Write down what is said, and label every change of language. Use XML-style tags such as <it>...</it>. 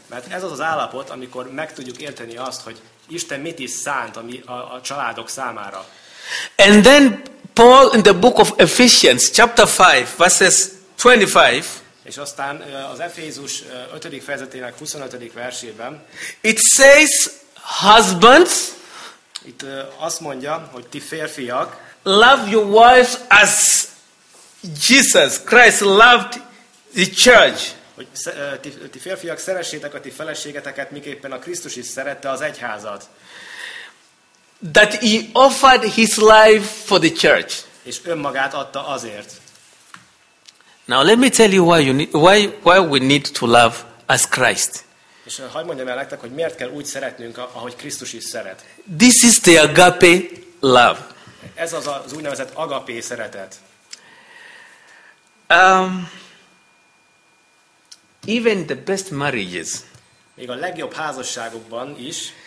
<hu>Mert ez az állapot, amikor meg tudjuk érteni azt, hogy Isten mit is szánt a családok számára.</hu> <en>And then Paul in the book of Ephesians, chapter 5, verses 25.</en> <hu>És aztán az Efézus 5. fejezetének 25. versében</hu> <en>it says husbands,</en> <hu>itt azt mondja, hogy ti férfiak</hu> <en>love your wives as Jesus Christ loved the church.</en> <hu>Hogy ti férfiak szeressétek a ti feleségeteket, miképpen a Krisztus is szerette az egyházat.</hu> <en>That he offered his life for the church.</en> <hu>És önmagát adta azért.</hu> <en>Now let me tell you why we need to love as Christ.</en> <hu>És hadd mondjam el nektek, hogy miért kell úgy szeretnünk, ahogy Krisztus is szeret.</hu> <en>This is the agape love.</en> <hu>Ez az az úgynevezett agapé szeretet.</hu> <en>Even the best marriages,</en> <hu>még a legjobb házasságokban is,</hu>